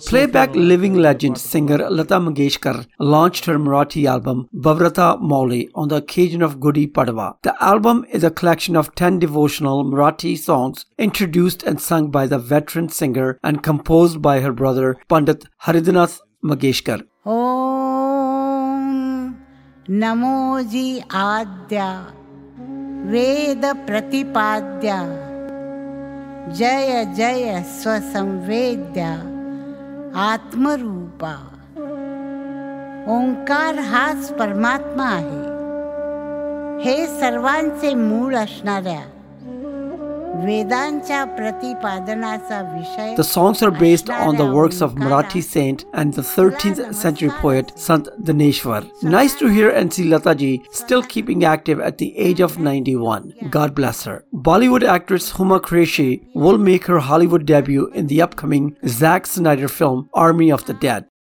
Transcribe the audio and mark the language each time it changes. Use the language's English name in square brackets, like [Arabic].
[English] playback soprano, like, living legend singer Lata Mangeshkar launched her Marathi album Bhavrata Mauli on the occasion of Gudi Padwa. The album is a collection of 10 devotional Marathi songs introduced and sung by the veteran singer and composed by her brother Pandit Haridanath Mangeshkar. [Marathi] Om Namo Ji Adya Veda Pratipadya Jaya Jaya Swasamvedya आत्मरूपा Omkar हाच परमात्मा आहे हे सर्वांचे मूळ असणाऱ्या वेदांच्या प्रतिपादनाचा विषय. [English] The songs are based on the works of Marathi saint and the 13th century poet Sant Dhaneshwar. Nice to hear and see Lata ji still keeping active at the age of 91. God bless her. Bollywood actress Huma Qureshi will make her Hollywood debut in the upcoming Zack Snyder film Army of the Dead.